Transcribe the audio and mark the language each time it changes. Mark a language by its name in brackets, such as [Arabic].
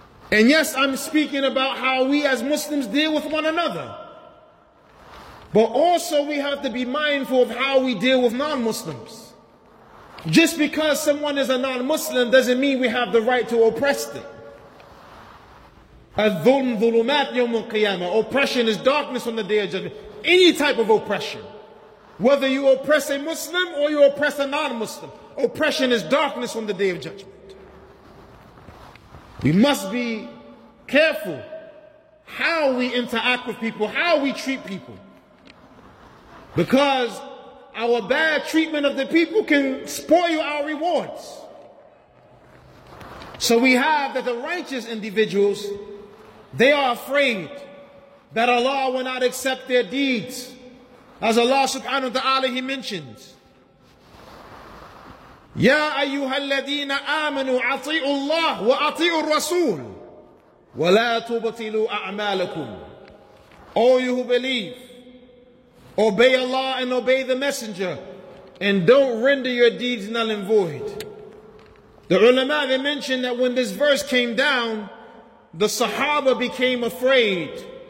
[English] And yes, I'm speaking about how we as Muslims deal with one another. But also we have to be mindful of how we deal with non-Muslims. Just because someone is a non-Muslim doesn't mean we have the right to oppress them. [Arabic] الظلم ظلمات يوم القيامة. [English] Oppression is darkness on the Day of Judgment. Any type of oppression, whether you oppress a Muslim or you oppress a non-Muslim, oppression is darkness on the Day of Judgment. We must be careful how we interact with people, how we treat people. Because our bad treatment of the people can spoil our rewards. So we have that the righteous individuals, they are afraid that Allah will not accept their deeds. As Allah subhanahu wa ta'ala, he mentions, [Arabic] يَا أَيُّهَا الَّذِينَ آمَنُوا أَطِيعُوا اللَّهُ وَأَطِيعُوا الرَّسُولُ وَلَا تُبْطِلُوا أَعْمَالَكُمْ. [English] All you who believe, obey Allah and obey the Messenger, and don't render your deeds null and void. The ulama, they mentioned that when this verse came down, the Sahaba became afraid.